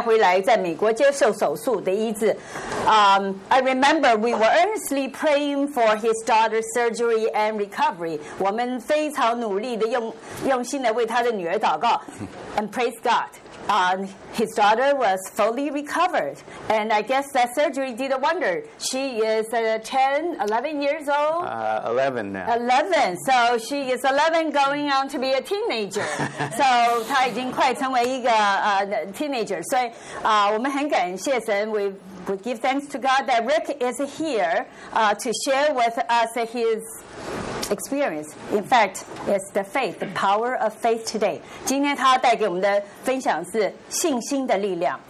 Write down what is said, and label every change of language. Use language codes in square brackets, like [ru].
[zh] 这是大概是七八年前，是不是？ [en] maybe [zh] 七八年前，他的最小的一个女儿生来就有心脏有点问题，所以他把她带回来，在美国接受手术的医治。 [en] I remember we were earnestly praying for his daughter's surgery and recovery. [zh] 我们非常努力的用心的为他的女儿祷告。 [en] And praise God. His daughter was fully recovered. And I guess that surgery did a wonder. She is 11 years old? 11 now. 11. So she is 11 going on to be a teenager. So [zh] 她已经快成为一个 teenager. 所以 我们很感谢神, [en] we give thanks to God that Rick is here to share with us his experience. In fact, it's the faith, the power of faith today. [zh] 今天他带给我们的分享是信心的力量。